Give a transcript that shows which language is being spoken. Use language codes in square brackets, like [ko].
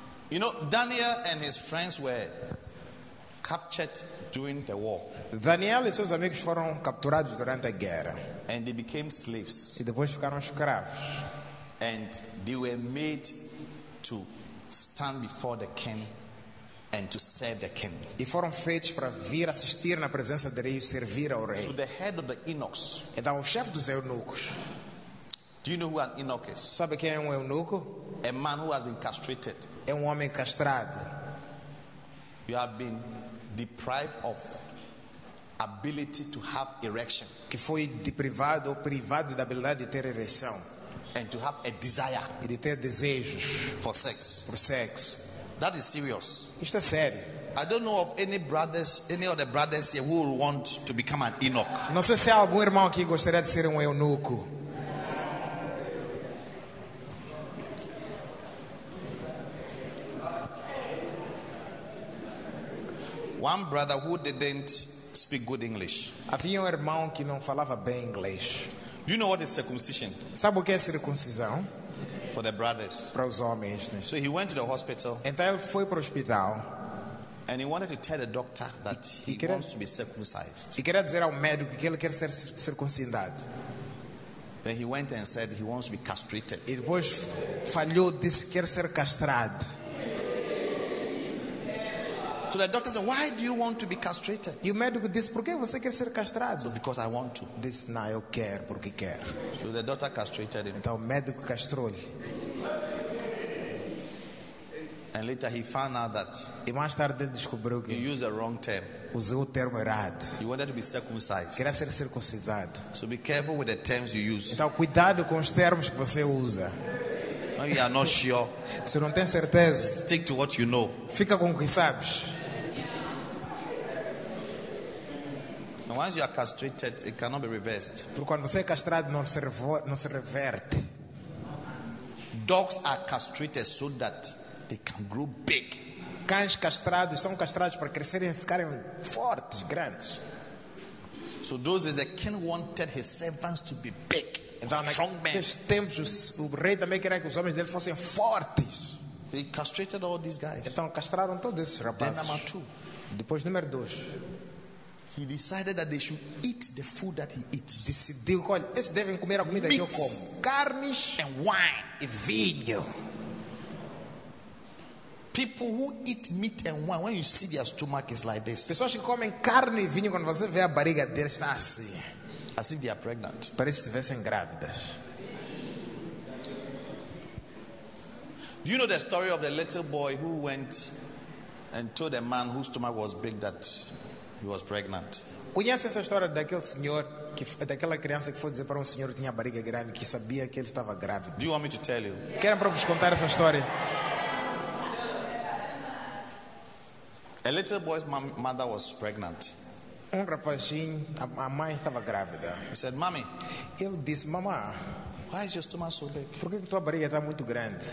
[en] You know, Daniel and his friends were captured during the war. [pt] Daniel e seus amigos foram capturados durante a guerra. [en] And they became slaves. [pt] E depois ficaram escravos. [en] And they were made to stand before the king and to serve the king. [pt] E foram feitos para vir assistir na presença do rei e servir ao rei. [en] To the head of the eunuchs. [pt] Então, o chefe dos eunucos. [en] Do you know who an eunuch is? [pt] Sabe quem é um eunuco? [en] A man who has been castrated. [pt] É um homem castrado. [en] You have been deprived of ability to have erection. [pt] Que foi deprivado ou privado da habilidade de ter ereção. [en] And to have a desire. [pt] E de ter desejos. [en] For sex. [pt] Por sexo. [en] That is serious. [pt] Isto é sério. [en] I don't know of any other brothers here who want to become an eunuch. [pt] Não sei se há algum irmão aqui que gostaria de ser um eunuco. [en] One brother who didn't speak good English. [pt] Havia um irmão que não falava bem inglês. [en] Do you know what is circumcision? [pt] Sabe o que é circuncisão? [en] For the brothers. [pt] Para os homens. Né? [en] So he went to the hospital. [pt] Então ele foi para o hospital. [en] And he wanted to tell the doctor that he wants to be circumcised. [pt] E queria dizer ao médico que ele quer ser circuncidado. [en] Then he went and said he wants to be castrated. [pt] E depois falhou, disse que quer ser castrado. [en] So the doctor said, "Why do you want to be castrated?" [pt] E o médico disse, "Por que você quer ser castrado?" [en] So, "Because I want to." [pt] Diz, "Não, eu quero porque quero." [en] So the doctor castrated him. [pt] Então o médico castrou-lhe. [en] And later he found out that. [pt] E mais tarde ele descobriu que. [en] He used the wrong term. [pt] Usou o termo errado. [en] He wanted to be circumcised. [pt] Queria ser circuncidado. [en] So be careful with the terms you use. [pt] Então cuidado com os termos que você usa. [en] You are not sure. [pt] Se não tem certeza, [en] stick to what you know. [pt] Fica com o que sabes. [en] And once you are castrated, it cannot be reversed. [pt] Porque quando você é castrado, não se reverte. [en] Dogs are castrated so that they can grow big. [pt] Cães castrados são castrados para crescerem e ficarem fortes, grandes. [en] So those is the king wanted his servants to be big. [pt] Então, naqueles tempos, o rei também queria que os homens dele fossem fortes. [en] They castrated all these guys. [pt] Então, castraram todos esses rapazes. [en] Then, number two. [pt] Depois, número dois. [en] He decided that they should eat the food that he eats. [pt] Decidiu que eles devem comer a comida [en] meat [pt] que eu como. Carnes [en] and wine. [pt] E vinho. [en] People who eat meat and wine, when you see their stomach is like this. [pt] Pessoas que comem carne e vinho, quando você vê a barriga deles, está assim. [en] As if they are pregnant. [pt] Parece que estivessem grávidas. [en] Do you know the story of the little boy who went and told a man whose stomach was big that he was pregnant? [pt] Conhece essa história daquele senhor que daquela criança que foi dizer para um senhor que tinha barriga grande que sabia que ele estava grávido? [en] Do you want me to tell you? [pt] Querem para vos contar essa história? [en] A little boy's mother was pregnant. [pt] Um rapazinho, a mãe estava grávida. [en] He said, "Mommy." [pt] Ele disse, "Mamã, [en] why is your stomach so big?" [pt] Por que tua barriga está muito grande?